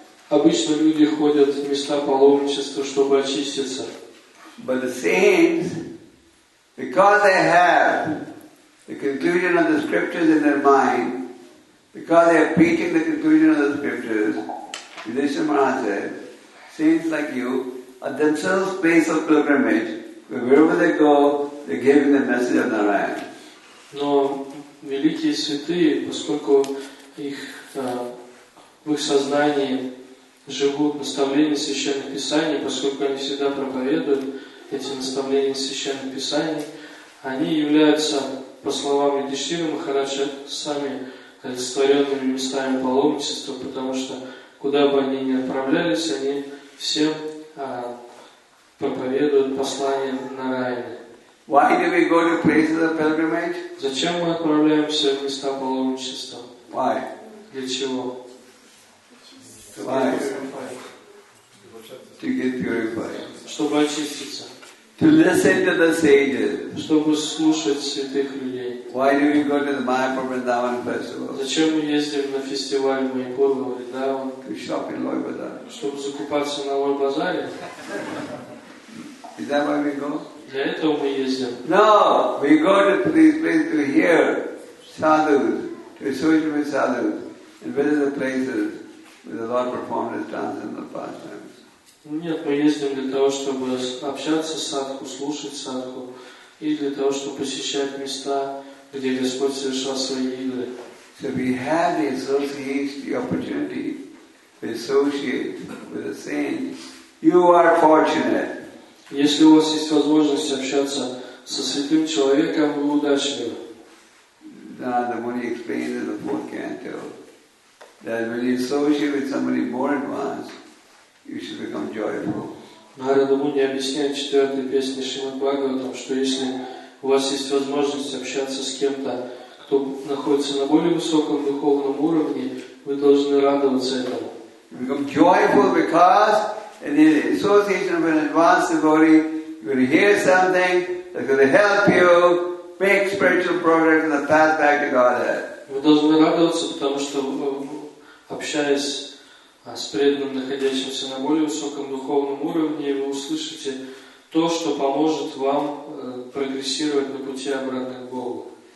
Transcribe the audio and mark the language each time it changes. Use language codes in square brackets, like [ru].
[ru] Обычно люди ходят в места паломничества, чтобы очиститься. [en] But the saints, because they have the conclusion of the scriptures in their mind, because they are preaching the conclusion of the scriptures, Yudhishthira Maharaj said, saints like you are themselves place of pilgrimage, where wherever they go, they're giving the message of Narayana. [ru] Но великие святые, поскольку их в их сознании живут наставления священных писаний, поскольку они всегда проповедуют эти наставления священных писаний, они являются, по словам Юдхиштхиры Махараджа, сами олицетворенными местами паломничества, потому что куда бы они ни отправлялись, они всем проповедуют послание Нараяны. [en] Why do we go to places of pilgrimage? [ru] Зачем мы отправляемся в места паломничества? [en] Why? [ru] Для чего? [en] Why? To get purified. [ru] Чтобы очиститься. [en] To listen to the sages. [ru] Чтобы слушать святых людей. [en] Why do we go to the Mayapur Vrindavan festival? [ru] Зачем мы ездим на фестиваль Майпур Вриндаван? [en] To shop in Loy Bazaar. [ru] Чтобы закупаться на Лой Базаре. [en] Is that why we go? [ru] Для этого мы ездим. [en] No, we go to these places to hear sadhus, to associate with sadhus, and visit the places where the Lord performed his transcendental pastimes. [ru] Нет, мы ездим для того, чтобы общаться с садху, слушать садху, и для того, чтобы посещать места, где Господь совершал свои игры. [en] So we have the association, the opportunity to associate with the saints. You are fortunate. [ru] Если у вас есть возможность общаться со святым человеком, вы удачливы. Да, [en] the one he explained in the fourth canto, that when you associate with somebody more advanced, you should become joyful. [ru] Narada Muni объясняет в четвертой песне Шримад Бхагаватам, что если у вас есть возможность общаться с кем-то, кто находится на более высоком духовном уровне, вы должны радоваться этому. [en] You become joyful because in the association of an advanced devotee, you're going to hear something that's going to help you make spiritual progress in the path back to Godhead. [ru] Вы должны радоваться, потому что общаясь с преданным, находящимся на более высоком духовном уровне, вы услышите то, что поможет вам прогрессировать на пути обратно к Богу.